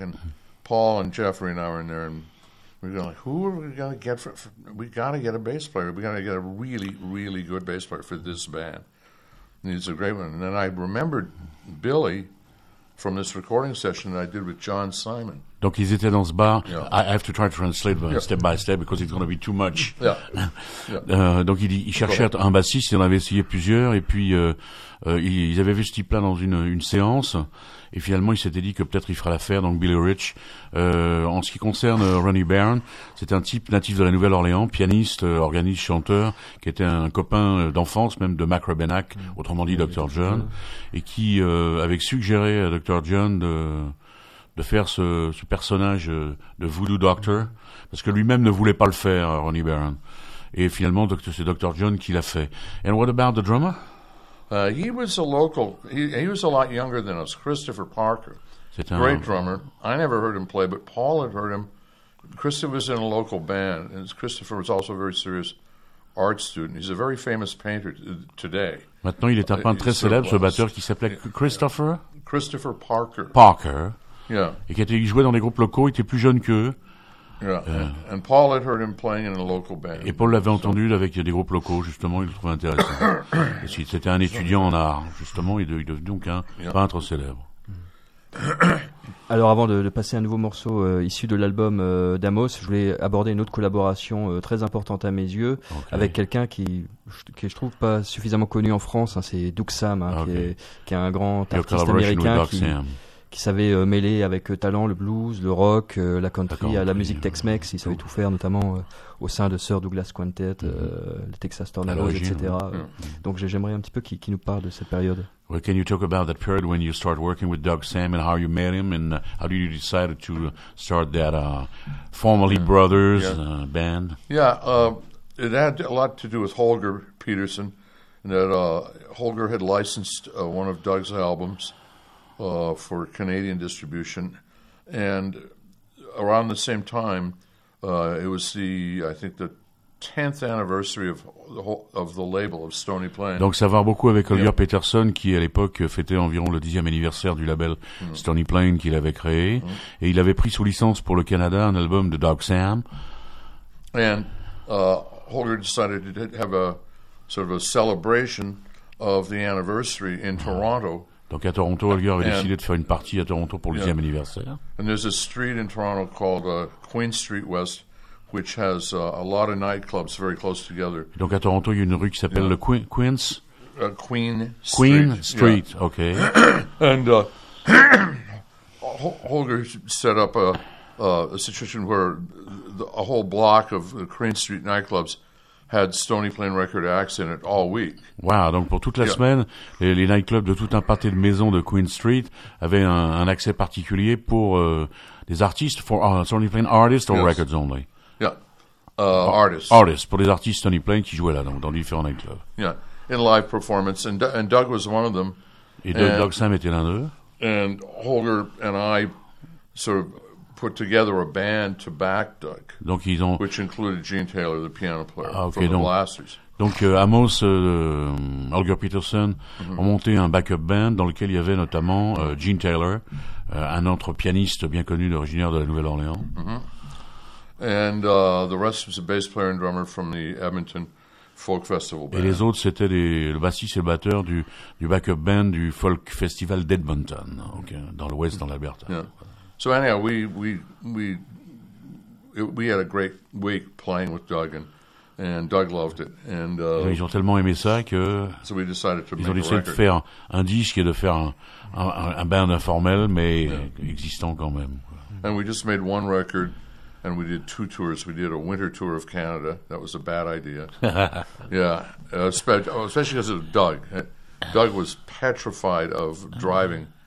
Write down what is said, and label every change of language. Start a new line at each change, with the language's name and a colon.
English: And Paul and Jeffrey and I were in there, and we were going, like, who are we going to get we got to get a bass player. We got to get a really, really good bass player for this band. He's a great one. And then I remembered Billy from this recording session that I did with John Simon.
French: Donc, ils étaient dans ce bar. Yeah.
English: I have to try to translate step by step because it's going to be too much. Yeah. Yeah.
French: Donc, ils cherchaient un bassiste. Ils en avaient essayé plusieurs. Et puis, ils avaient vu ce type-là dans une séance. Et finalement, ils s'étaient dit que peut-être il ferait l'affaire. Donc, Billy Rich. En ce qui concerne Ronnie Barron, c'est un type natif de la Nouvelle-Orléans, pianiste, organiste, chanteur, qui était un copain d'enfance, même de Mac Rebennack, autrement dit Dr. John, et qui avait suggéré à Dr. John de faire ce personnage de voodoo doctor, parce que lui-même ne voulait pas le faire, Ronnie Barron. Et finalement, c'est Dr. John qui l'a fait.
English: And what about the drummer? He was a local, he was a lot younger than us, Christopher Parker.
French: C'est un
English: great drummer. I never heard him play, but Paul had heard him. Christopher was in a local band, and Christopher was also a very serious art student. He's a very famous painter today.
French: Maintenant, il est un peintre très célèbre, ce batteur qui s'appelait Christopher?
English: Christopher Parker. Parker. Yeah.
French: Et qui jouait dans des groupes locaux, il était plus jeune qu'eux.
English: And Paul had heard him playing in a local band.
French: Et Paul l'avait entendu avec des groupes locaux, justement, il le trouvait intéressant. Et c'était un étudiant en art, justement, il est devenu donc un peintre célèbre. Alors avant de passer un nouveau morceau issu de l'album d'Amos, je voulais aborder une autre collaboration très importante à mes yeux, okay, avec quelqu'un qui je trouve pas suffisamment connu en France, hein, c'est Doug Sam, hein, okay, qui est un grand artiste américain qui savait mêler avec talent le blues, le rock, la country, à la musique Tex-Mex, il savait tout faire, notamment au sein de Sir Douglas Quintet, le Texas Tornadoes, etc. Donc j'aimerais un petit peu qu'il nous parle de cette période.
English: Well, can you talk about that period when you start working with Doug Sam and how you met him and how did you decide to start that formerly brothers band? Yeah, it had a lot to do with Holger Peterson, and that Holger had licensed one of Doug's albums for Canadian distribution, and around the same time, it was the 10th anniversary of the label of Stony Plain.
French: Donc ça va beaucoup avec Holger Peterson qui à l'époque fêtait environ le 10e anniversaire du label Stony Plain qu'il avait créé, et il avait pris sous licence pour le Canada un album de Doug Sam.
English: And Holger decided to have a sort of a celebration of the anniversary in Toronto.
French: Donc à Toronto, Holger avait décidé de faire une partie à Toronto pour le 10e anniversaire.
English: And there's a street in Toronto called Queen Street West, which has a lot of nightclubs very close together.
French: Donc à Toronto, il y a une rue qui s'appelle le Queen's?
English: Queen Street. Yeah. Okay. And Holger set up a situation where a whole block of Queen Street nightclubs had Stony Plain record acts in it all week.
French: Wow, donc pour toute la semaine, les nightclubs de tout un pâté de maisons de Queen Street avaient un accès particulier pour des artistes,
English: for Stony Plain artists or records only? Artists.
French: Pour les artistes Stony Plain qui jouaient là, donc, dans différents nightclubs.
English: Yeah, in live performance. And Doug was one of them.
French: Et Doug Dogsam était l'un d'eux.
English: And Holger and I sort of put together a band to back Doug.
French: Donc ils ont...
English: Which included Gene Taylor, the piano player, ah, okay, from
French: donc,
English: the Blasters.
French: Donc Amos, Holger Peterson, mm-hmm. ont monté un backup band dans lequel il y avait notamment Gene Taylor, un autre pianiste bien connu originaire de la Nouvelle-Orléans. Mm-hmm.
English: And the rest was a bass player and drummer from the Edmonton Folk Festival band.
French: Et les autres, c'était le bassiste et le batteur du backup band du Folk Festival d'Edmonton, okay, dans l'ouest, dans l'Alberta. Yeah.
English: So anyhow, we had a great week playing with Doug, and Doug loved it. And,
French: ils ont tellement aimé ça que
English: so we decided to
French: ils ont décidé de faire un disque et de faire un band informel, mais yeah. existant quand même.
English: And we just made one record. And we did two tours. We did a winter tour of Canada. That was a bad idea. Yeah. Especially because of Doug. Doug was petrified of driving